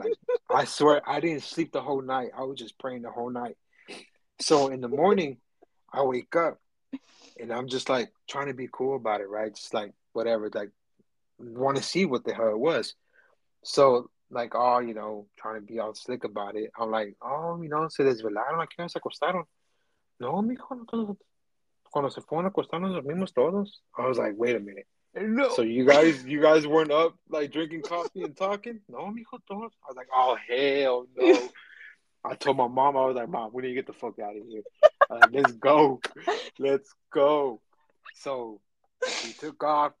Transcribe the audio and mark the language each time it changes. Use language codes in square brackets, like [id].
[en] Like, I swear, I didn't sleep the whole night. I was just praying the whole night. So in the morning, I wake up and I'm just like trying to be cool about it, right? Just like whatever, like want to see what the hell it was. So like, oh, you know, trying to be all slick about it. I'm like, oh, you know, [es] se desvelaron, aquí no se acostaron. No, mijo, cuando se fueron a acostar, nos dormimos todos. [en] I was like, wait a minute. No. So you guys weren't up like drinking coffee and talking? [es] No, mijo, todos. [en] I was like, oh, hell no. I told my mom, I was like, mom, we need to get the fuck out of here. Like, let's go. Let's go. So we took off.